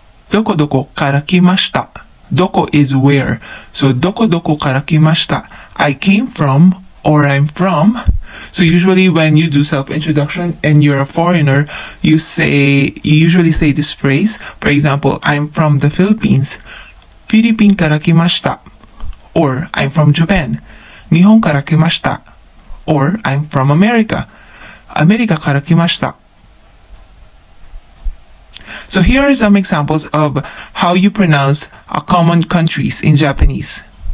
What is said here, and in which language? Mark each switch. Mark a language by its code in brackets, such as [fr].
[ja] Doko doko kara kimashita. [en] Doko is where. So [ja] doko doko kara kimashita. [en] I came from or I'm from. So usually when you do self-introduction and you're a foreigner, you usually say this phrase. For example, I'm from the Philippines. [ja] フィリピンから来ました。 [en] Or, I'm from Japan. [ja] 日本から来ました。 [en] Or, I'm from America. [ja] アメリカから来ました。 [en] So here are some examples of how you pronounce a common countries in Japanese.